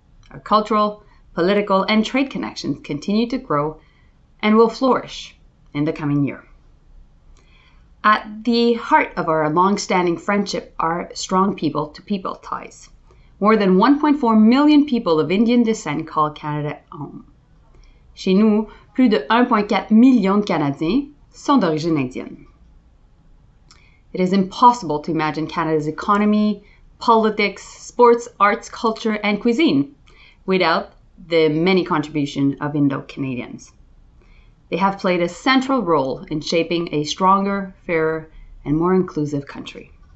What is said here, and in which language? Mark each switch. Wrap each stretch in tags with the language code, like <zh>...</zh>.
<en>Our cultural, political, and trade connections continue to grow and will flourish in the coming year. At the heart of our long-standing friendship are strong people-to-people ties. More than 1.4 million people of Indian descent call Canada home.</en> <fr>Chez nous, plus de 1.4 million de Canadiens sont d'origine indienne.</fr> <en>It is impossible to imagine Canada's economy, politics, sports, arts, culture, and cuisine without the many contributions of Indo-Canadians. They have played a central role in shaping a stronger, fairer, and more inclusive country.</en>